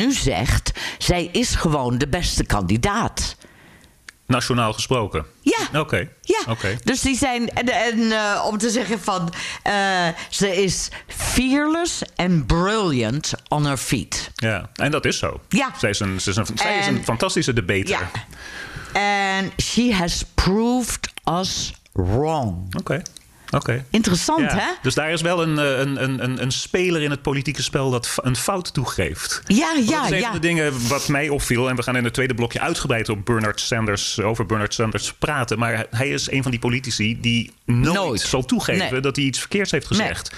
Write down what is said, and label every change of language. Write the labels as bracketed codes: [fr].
[nl] Nu zegt, zij is gewoon de beste kandidaat. Nationaal gesproken? Ja. Oké. Okay. Ja. Okay. Dus die zijn, en om te zeggen van, ze is [en] fearless and brilliant on her feet. [nl] Ja, en dat is zo. Ja. Zij is een fantastische debater. Ja. [en] And she has proved us wrong. [nl] Oké. Interessant, hè? Dus daar is wel een speler in het politieke spel dat een fout toegeeft. Ja. Van de dingen wat mij opviel. En we gaan in het tweede blokje uitgebreid over Bernard Sanders praten. Maar hij is een van die politici die nooit zal toegeven dat hij iets verkeerds heeft gezegd.